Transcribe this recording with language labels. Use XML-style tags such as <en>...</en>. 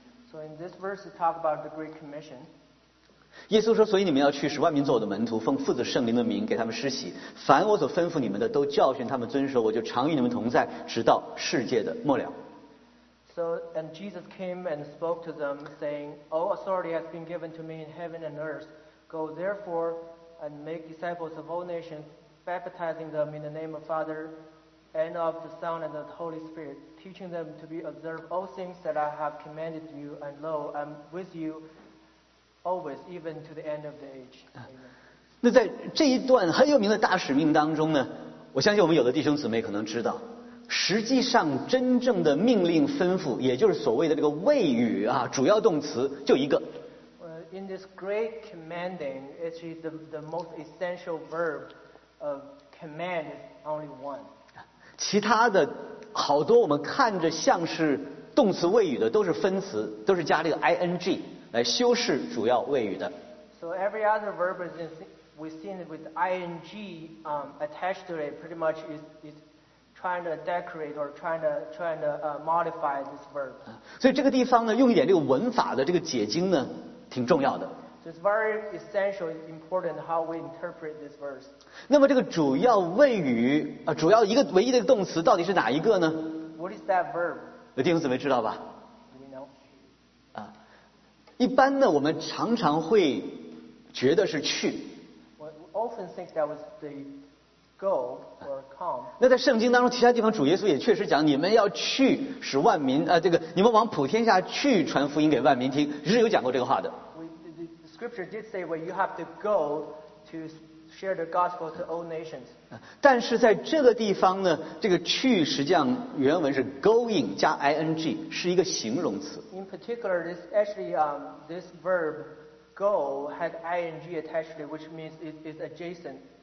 <en>So in this verse, it talks about the Great Commission.</en> <zh>耶稣说所以你们要去使万民做我的门徒奉父子圣灵的名给他们施洗凡我所吩咐你们的都教训他们遵守我就常与你们同在直到世界的末了</zh> <en>So and Jesus came and spoke to them saying All authority has been given to me in heaven and earth Go therefore and make disciples of all nations baptizing them in the name of Father and of the Son and of the Holy Spirit, teaching them to be observed all things that I have commanded you, and lo, I'm with you always, even to the end of the age. Amen.</en> <zh>那在这一段很有名的大使命当中呢，我相信我们有的弟兄姊妹可能知道，实际上真正的命令吩咐，也就是所谓的这个谓语啊，主要动词就一个。</zh> <en>In this great commanding, actually the most essential verb of command is only one.</en> <zh>其他的好多我们看着像是动词谓语的都是分词，都是加这个 ing 来修饰主要谓语的。</zh> <en>So every other verb is we've seen with ing attached to it pretty much is trying to decorate or trying to modify this verb.</en> <zh>所以这个地方呢，用一点这个文法的这个解经呢。挺重要的。</zh> <en>So、it's very essential, important how we interpret this verse.</en> <zh>那么这个主要谓语啊，主要一个唯一的动词到底是哪一个呢</zh> <en>？What is that verb?</en> <zh>弟兄姊妹知道吧</zh> <en>？Do you know?</en> <zh>啊，一般呢，我们常常会觉得是去。</zh> <en>We often think that was the go or come.</en> <zh>那在圣经当中，其他地方主耶稣也确实讲，你们要去使万民啊，这个你们往普天下去传福音给万民听，是有讲过这个话的。</zh> <en>The scripture did say, well, you have to go to share the gospel to all nations.</en> <zh>但是在这个地方呢，这个去实际上原文是 going 加 ing， 是一个形容词。</zh> <en>In particular, this actually this verb go had ing attached to it, which means it is adjacent.</en>